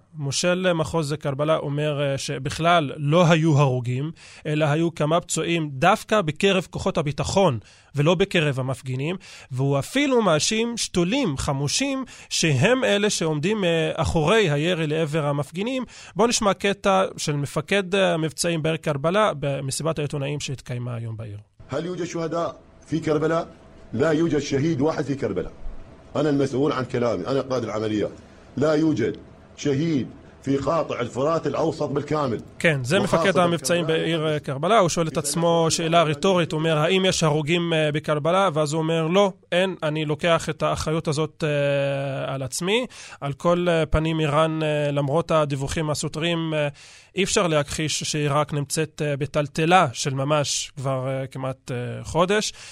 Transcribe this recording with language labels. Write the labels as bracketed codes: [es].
[he] מושל מחוז קרבלה אומר שבכלל לא היו הרוגים, אלא היו כמה פצועים דווקא בקרב כוחות הביטחון. ביטחון ולא בקרב המפגינים, והוא אפילו מאשים שתולים חמושים שהם אלה שעומדים אחורי הירי לעבר המפגינים. בוא נשמע קטע של מפקד המבצעים בעיר קרבלה במסיבת העיתונאים שהתקיימה היום בעיר. [ar] هل يوجد شهداء في كربلاء؟ لا يوجد شهيد واحد في كربلاء. انا المسؤول عن كلامي، انا قائد العمليه. لا يوجد شهيد في قاطع الفرات الاوسط بالكامل. [he] כן, זה מפקד המבצעים בעיר קרבלה. הוא שואל את עצמו שאלה רטורית, הוא אומר, האם יש הרוגים בקרבלה? ואז הוא אומר, לא, אין, אני לוקח את האחריות הזאת על עצמי. על כל פנים, איראן, למרות הדיווחים הסותרים, אי אפשר להכחיש שעיראק נמצאת בטלטלה של ממש כבר כמעט חודש.